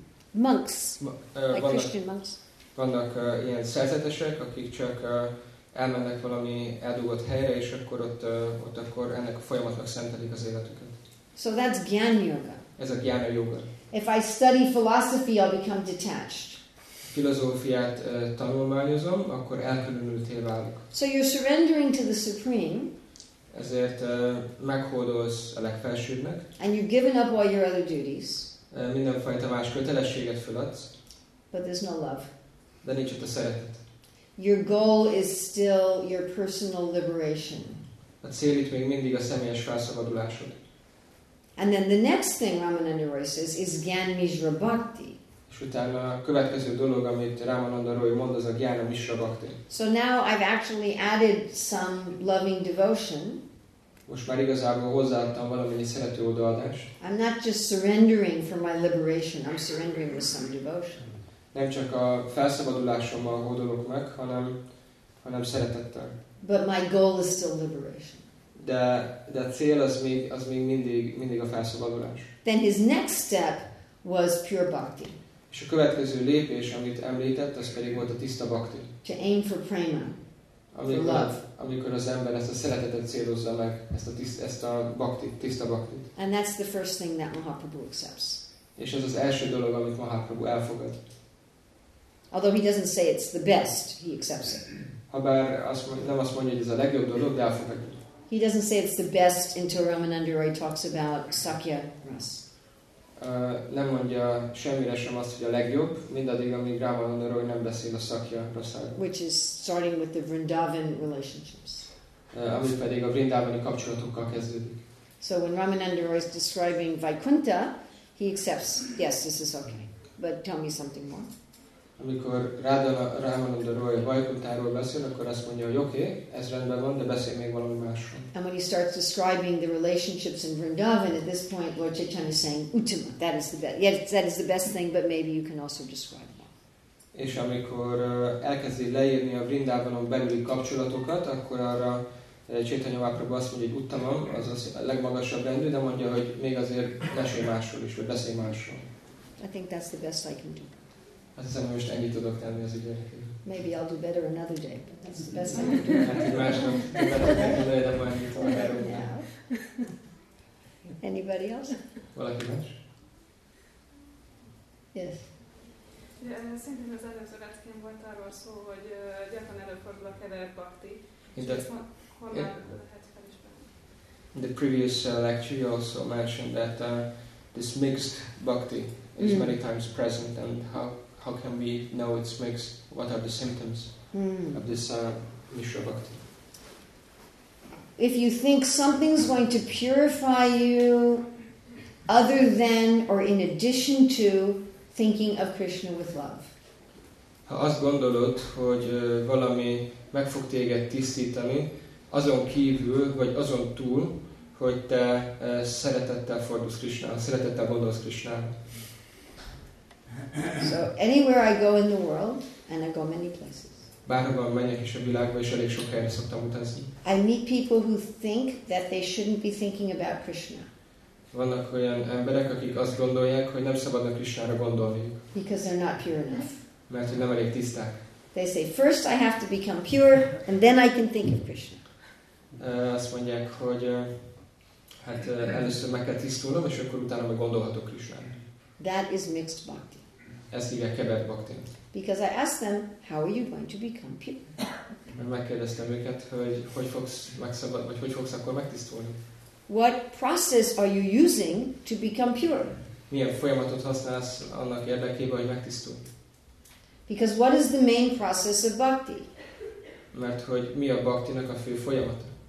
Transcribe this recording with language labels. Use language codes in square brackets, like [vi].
[en] Monks, like Christian monks. [hu] Vannak ilyen szerzetesek, akik csak elmennek valami eldugott helyre, és akkor ott akkor ennek a folyamatnak szentelik az életüket. [en] So that's gyan yoga. [hu] Ez a gyan yoga. [en] If I study philosophy, I'll become detached. [hu] Filozófiát tanulmányozom, akkor elkülönülté válok. [en] So you're surrendering to the supreme. [hu] Ezért meghódolsz a legfelsőbbnek. [en] And you've given up all your other duties. [hu] Mindenfajta más kötelességet feladsz. [en] But there's no love. [hu] De nincs ott a szeretet. [en] Your goal is still your personal liberation. [hu] A cél itt még mindig a személyes felszabadulásod. [en] And then the next thing Ramananda Roy says is Gyanamizra Bhakti. [hu] És utána a következő dolog, amit Ramananda Roy mond, az a Gyanamizra Bhakti. [en] So now I've actually added some loving devotion. [hu] Most már igazából hozzáadtam valami szerető odaadást. [en] I'm not just surrendering for my liberation, I'm surrendering with some devotion. [hu] Nem csak a felszabadulásommal hódolok meg, hanem szeretettel. [en] But my goal is still liberation. [hu] De a cél az még mindig a felszabadulás. [en] Then his next step was pure bhakti. [hu] És a következő lépés, amit említett, az pedig volt a tiszta bhakti. [en] To aim for prema, for love. [hu] Amikor az ember ezt a szeretetet célozza meg, ezt a bhakti, tiszta bhakti. [en] And that's the first thing that Mahaprabhu accepts. [hu] És ez az első dolog, amit Mahaprabhu elfogad. [en] Although he doesn't say it's the best, he accepts it. [hu] Habár azt mondja, nem azt mondja, hogy ez a legjobb dolog, de elfogadja. [en] He doesn't say it's the best until Ramanandaroy talks about Sakya Ras. [hu] Nem mondja semmire sem azt, hogy a legjobb, mindaddig, amíg Ramanandaroy nem beszél a Sakya Rasáról. [en] Which is starting with the Vrindavan relationships. [hu] Ami pedig a Vrindavani kapcsolatokkal kezdődik. [en] So when Ramanandaroy is describing Vaikuntha, he accepts, yes, this is okay, but tell me something more. [hu] Amikor Ramanandaroy Vaikuntháról beszél, akkor azt mondja, hogy oké, ez rendben van, de beszél még valami másról. [en] And when he starts describing the relationships in Vrindavan, at this point, Lord Chaitanya is saying, Uttama, that is the best. Yes, that is the best thing, but maybe you can also describe that. [hu] És amikor elkezdi leírni a Vrindavanon belüli kapcsolatokat, akkor arra Chaitanya Mahaprabhu azt mondja, hogy Uttama, az a legmagasabb rendű, de mondja, hogy még azért mesél másról is, vagy beszél másról. [en] I think that's the best I can do. [hu] Azt hiszem, hogy most ennyit tudok tenni az ügyre. [en] Maybe I'll do better another day, but that's the best thing. [hu] Hát, hogy másnap tudom, hogy nem majd nyitom a [en] herőben. Anybody else? [hu] Valaki más? [en] Yes. [hu] Szintén az előző leckén volt arról szó, hogy gyakran előfordul a keverd bhakti. És ezt honnan lehet felismerni? [en] In the previous lecture you also mentioned that this mixed bhakti is many times present, and how can we know it's mixed? What are the symptoms of this Mishra Bhakti? If you think something's going to purify you other than or in addition to thinking of Krishna with love. [hu] Ha azt gondolod, hogy valami meg fog téged tisztítani, azon kívül, vagy azon túl, hogy te szeretettel fordulsz Krishnára, szeretettel gondolsz Krishnára. [en] So anywhere I go in the world, and I go many places. [hu] Bárhova menjek is a világba, és elég sok helyre szoktam utazni. [en] I meet people who think that they shouldn't be thinking about Krishna. [hu] Vannak olyan emberek, akik azt gondolják, hogy nem szabadna Krishnára gondolniuk. [en] Because they're not pure enough. [hu] Mert hogy nem elég tiszták. [en] They say first I have to become pure, and then I can think of Krishna. [hu] Azt mondják, hogy hát először meg kell tisztulnom, és akkor utána meg gondolhatok Krishnára. [en] That is mixed bhakti. [hu] Ez így a kevert bhakti. [en] Because I asked them, how are you going to become pure? [hu] Mert megkérdeztem őket, hogy hogy fogsz megszabad, vagy hogy fogsz akkor megtisztulni. [en] What process are you using to become pure? [hu] Milyen folyamatot használsz annak érdekében, hogy megtisztulj? [en] Because what is the main process of bhakti? [hu] Mert hogy mi a bhaktinak a fő folyamata?